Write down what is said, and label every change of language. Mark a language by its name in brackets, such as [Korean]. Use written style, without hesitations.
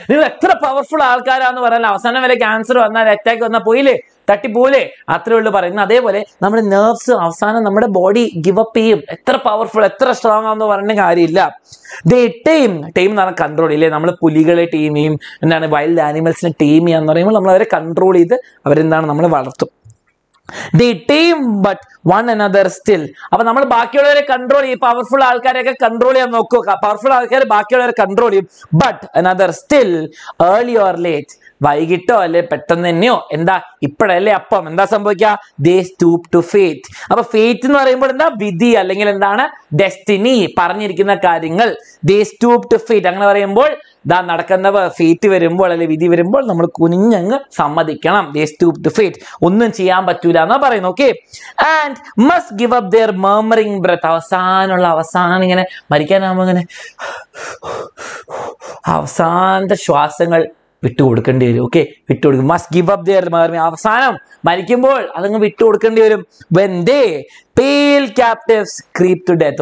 [Malayalam] നിങ്ങൾ എത്ര പവർഫുൾ ആൾക്കാരാന്ന് പറയാൻ, അവസാനം വരെ ക്യാൻസർ വന്നാൽ, അറ്റാക്ക് വന്നാൽ പോയില്ലേ, തട്ടിപ്പോലെ, അത്രേ ഉള്ളു പറയുന്നത്. അതേപോലെ നമ്മുടെ നെർവ്സ് അവസാനം നമ്മുടെ ബോഡി ഗിവപ്പ് ചെയ്യും. എത്ര പവർഫുൾ, എത്ര സ്ട്രോങ് ആണെന്ന് പറയേണ്ട കാര്യമില്ല. ദേ ടെയിം, ടെയിം എന്ന് പറഞ്ഞാൽ കൺട്രോൾ ഇല്ലേ, നമ്മൾ പുലികളെ ടെയിം ചെയ്യും, എന്താണ് വൈൽഡ് ആനിമൽസിനെ ടെയിം ചെയ്യാന്ന് പറയുമ്പോൾ നമ്മൾ അവരെ കൺട്രോൾ ചെയ്ത് അവരെന്താണ് നമ്മൾ വളർത്തും. [English] They tame but one another still. [Malayalam] അപ്പൊ നമ്മൾ ബാക്കിയുള്ളവരെ കൺട്രോൾ ചെയ്യും, പവർഫുൾ ആൾക്കാരെയൊക്കെ കൺട്രോൾ ചെയ്യാൻ നോക്കുക, പവർഫുൾ ആൾക്കാരെ ബാക്കിയുള്ളവരെ കൺട്രോൾ ചെയ്യും. [English] but another still early or late, [Malayalam] വൈകിട്ടോ അല്ലെ പെട്ടെന്ന് തന്നെയോ, എന്താ ഇപ്പോഴല്ലേ അപ്പം എന്താ സംഭവിക്കുക? [English] They stoop to fate. [Malayalam] അപ്പൊ ഫേറ്റ് എന്ന് പറയുമ്പോൾ എന്താ? വിധി അല്ലെങ്കിൽ എന്താണ് ഡെസ്റ്റിനി, പറഞ്ഞിരിക്കുന്ന കാര്യങ്ങൾ. [English] they stoop to fate, [Malayalam] അങ്ങനെ പറയുമ്പോൾ ഇതാ നടക്കുന്ന ഫേറ്റ് വരുമ്പോൾ അല്ലെ വിധി വരുമ്പോൾ നമ്മൾ കുനിഞ്ഞങ്ങ് സമ്മതിക്കണം. [English] they stoop to fate, [Malayalam] ഒന്നും ചെയ്യാൻ പറ്റൂല എന്നാ പറയുന്നത്. [English] Okay, and must give up their murmuring breath. [Malayalam] അവസാനമുള്ള അവസാനം ഇങ്ങനെ മരിക്കാനാകുമ്പോൾ ഇങ്ങനെ അവസാനത്തെ ശ്വാസങ്ങൾ വിട്ടുകൊടുക്കേണ്ടി വരും. Okay, വിട്ടുകൊടുക്കും. [English] must give up their murmuring, [Malayalam] അവസാനം മരിക്കുമ്പോൾ അതങ്ങ് വിട്ടുകൊടുക്കേണ്ടി വരും. [English] When they pale captives creep to death.